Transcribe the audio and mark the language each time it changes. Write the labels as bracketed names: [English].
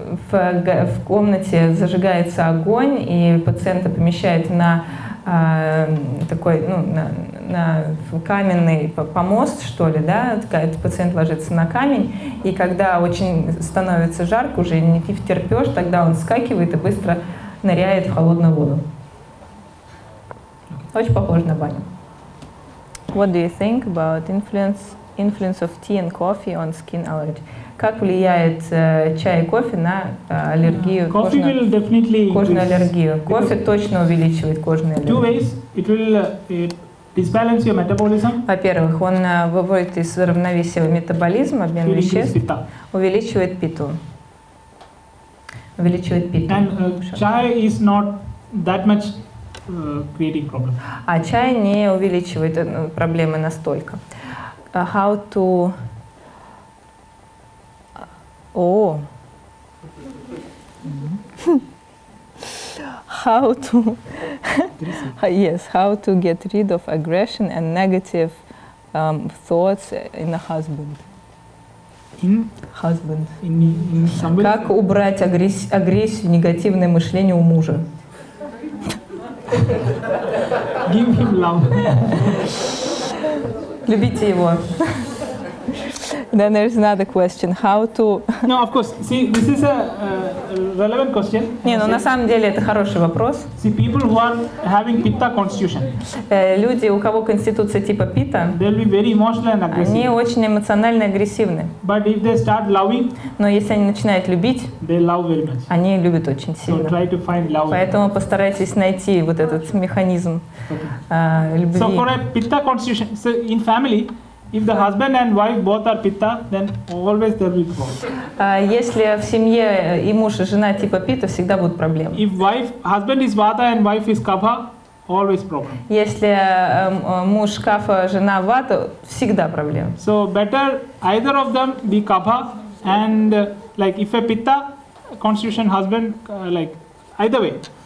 [Russian] В комнате зажигается огонь, и пациента помещают на такой, ну, на каменный помост, что ли, да, этот пациент ложится на камень, и когда очень становится жарко, уже не терпешь, тогда он вскакивает и быстро ныряет в холодную воду. Очень похоже на баню. [English] What do you think about influence of tea and coffee on skin allergy? [Russian] Как влияет чай и кофе на аллергию? [English] Coffee will definitely [Russian] кожную аллергию. Кофе точно увеличивает кожную аллергию. [English] Two ways. It will disbalance your metabolism. [Russian] Во-первых, он выводит из равновесия метаболизм, обмен веществ, увеличивает питу. Увеличивает питу. [English] And chai is not that much creating problem. [Russian] А чай не увеличивает проблемы настолько. [English] How to? Oh. How to? Yes. How to get rid of aggression and negative thoughts in a husband? Husband. [Russian] Как убрать агрессию, негативное мышление у мужа? [English] Give him love. [Russian] Любите его. [English] Then there's another question. How to... No, of course. See, this is a relevant question. [Russian] Не, ну на самом деле это хороший вопрос. [English] See, people who are having pitta constitution. [Russian] Люди, у кого конституция типа питта, [English] they'll be very emotional and aggressive. [Russian] Они очень эмоционально агрессивны. [English] But if they start loving, [Russian] но если они начинают любить, [English] they love very much. [Russian] Они любят очень сильно. [English] So try to find love. [Russian] Поэтому постарайтесь найти вот этот механизм любви. [English] So for a pitta constitution, so in family, if the husband and wife both are pitta, then always there will be problems. [Russian] Если в семье и муж и жена типа питта, всегда будут проблемы. [English] If wife, husband is vata and wife is kapha, always problem. [Russian] Если муж кафа, жена вата, всегда проблемы. [English] So better either of them be kapha and like if a pitta constitution husband like either way.